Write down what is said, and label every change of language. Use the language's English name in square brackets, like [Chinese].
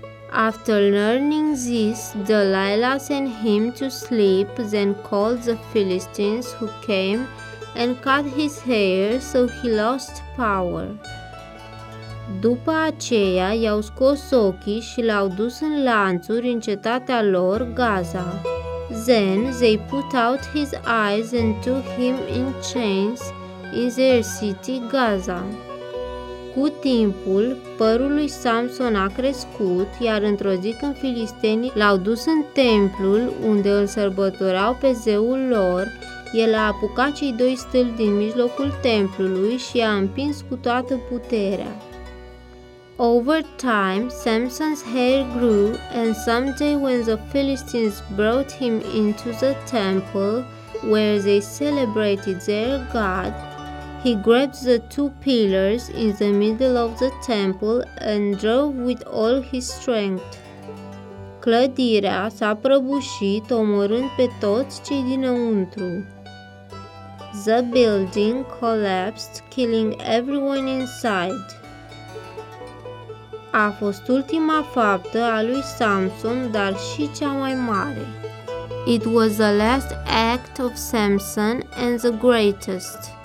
[English] After learning this, Delilah sent him to sleep, then called the Philistines who came and cut his hair, so he lost power. [Romanian] După aceea, i-au scos ochii și l-au dus în lanțuri în cetatea lor, Gaza. [English] Then they put out his eyes and took him in chains in their city, Gaza. [Romanian] Cu timpul, părul lui Samson a crescut, iar într-o zi când filistenii l-au dus în templul unde îl sărbătoreau pe zeul lor, el a apucat cei doi stâlpi din mijlocul templului și i-a împins cu toată puterea. [English] Over time, Samson's hair grew, and someday when the Philistines brought him into the temple where they celebrated their god, he grabbed the two pillars in the middle of the temple and drove with all his strength. [Romanian] Clădirea s-a prăbușit, omorând pe toți cei dinăuntru. [English] The building collapsed, killing everyone inside. [Romanian] A fost ultima faptă a lui Samson, dar și cea mai mare. [English] It was the last act of Samson and the greatest.